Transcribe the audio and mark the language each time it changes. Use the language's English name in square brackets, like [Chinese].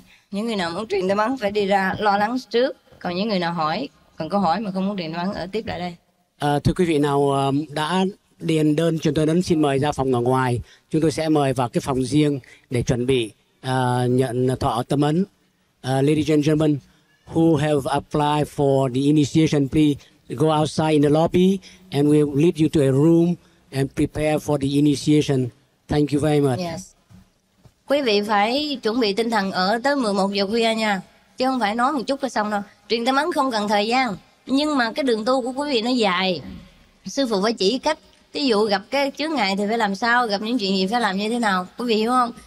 [Vietnamese] Những người nào muốn chuyện tâm ấn phải đi ra lo lắng trước. Còn những người nào hỏi, còn câu hỏi mà không muốn chuyện tâm ấn ở tiếp lại đây. À, thưa quý vị nào đã điền đơn, chúng tôi đến xin mời ra phòng ở ngoài. Chúng tôi sẽ mời vào cái phòng riêng để chuẩn bị nhận thọ tâm ấn. [English] Ladies and gentlemen who have applied for the initiation, please go outside in the lobby and we'll lead you to a room and prepare for the initiation. Thank you very much. Yes. [Vietnamese] Quý vị phải chuẩn bị tinh thần ở tới 11 giờ khuya nha, chứ không phải nói một chút là xong đâu. Truyền tâm ấn không cần thời gian, nhưng mà cái đường tu của quý vị nó dài, sư phụ phải chỉ cách. Ví dụ gặp cái chướng ngại thì phải làm sao, gặp những chuyện gì phải làm như thế nào, quý vị hiểu không?